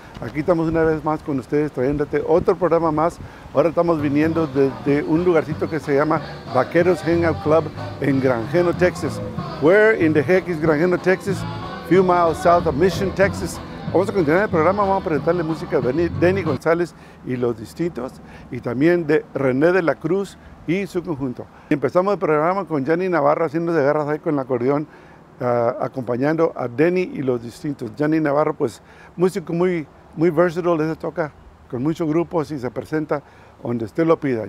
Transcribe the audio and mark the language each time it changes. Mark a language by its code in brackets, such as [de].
[es] Aquí estamos una vez más con ustedes trayéndote otro programa más. Ahora estamos viniendo desde un lugarcito que se llama Vaqueros Hangout Club en Granjeno, Texas. [en] Where in the heck is Granjeno, Texas? Few miles south of Mission, Texas. [es] Vamos a continuar el programa, vamos a presentarle música de Denny González y Los Distintos y también de René de la Cruz y su conjunto. Empezamos el programa con Jenny Navarro haciendo de garras ahí con el acordeón, acompañando a Denny y Los Distintos. Jenny Navarro, pues, músico muy, muy versatile, se toca con muchos grupos y se presenta donde usted lo pida.